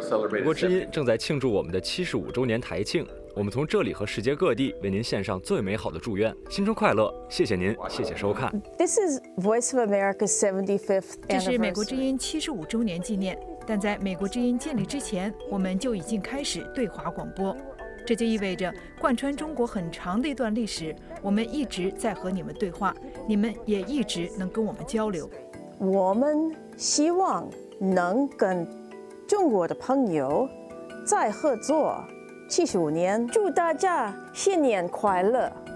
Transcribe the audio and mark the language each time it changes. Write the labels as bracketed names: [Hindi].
[Chinese] 美国之音正在庆祝我们的75周年台庆，我们从这里和世界各地为您献上最美好的祝愿，新春快乐！谢谢您，谢谢收看。 [English] This is Voice of America's 75th anniversary. [Chinese] 这是美国之音75周年纪念，但在美国之音建立之前，我们就已经开始对华广播，这就意味着贯穿中国很长的一段历史，我们一直在和你们对话，你们也一直能跟我们交流。我们希望能跟中国的朋友再合作75年，祝大家新年快乐。